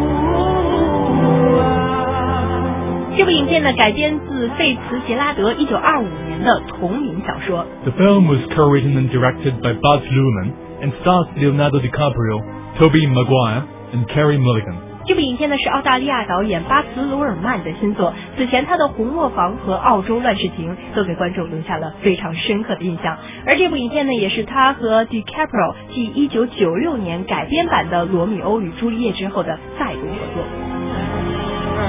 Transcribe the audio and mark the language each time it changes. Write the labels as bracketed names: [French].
[English] This [Chinese] 部影片呢改编自费茨杰拉德1925年的同名小说。 [English] The film was co-written and directed by Baz Luhrmann and stars Leonardo DiCaprio, Tobey Maguire, and Carey Mulligan. [Chinese] 这部影片呢是澳大利亚导演巴茨·鲁尔曼的新作，此前他的《红磨坊》和《澳洲乱世情》都给观众留下了非常深刻的印象，而这部影片呢也是他和 DiCaprio 继1996年改编版的《罗密欧与朱丽叶》之后的再度合作。